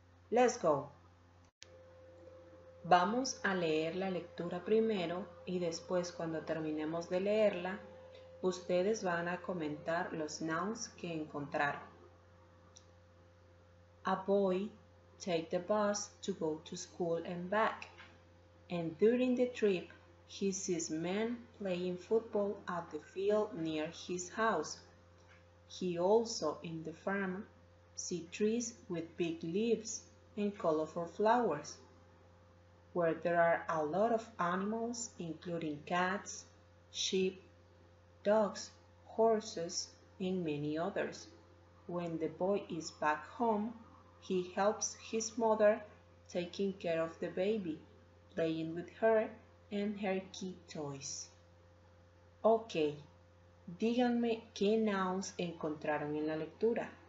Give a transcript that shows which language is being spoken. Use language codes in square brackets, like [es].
[en] Let's go. [es] Vamos a leer la lectura primero y después, cuando terminemos de leerla, ustedes van a comentar los nouns que encontraron. [en] A boy takes the bus to go to school and back. And during the trip, he sees men playing football at the field near his house. He also, in the farm, sees trees with big leaves and colorful flowers, where there are a lot of animals, including cats, sheep, dogs, horses, and many others. When the boy is back home, he helps his mother taking care of the baby, playing with her and her key toys. [es] Ok, díganme qué nouns encontraron en la lectura.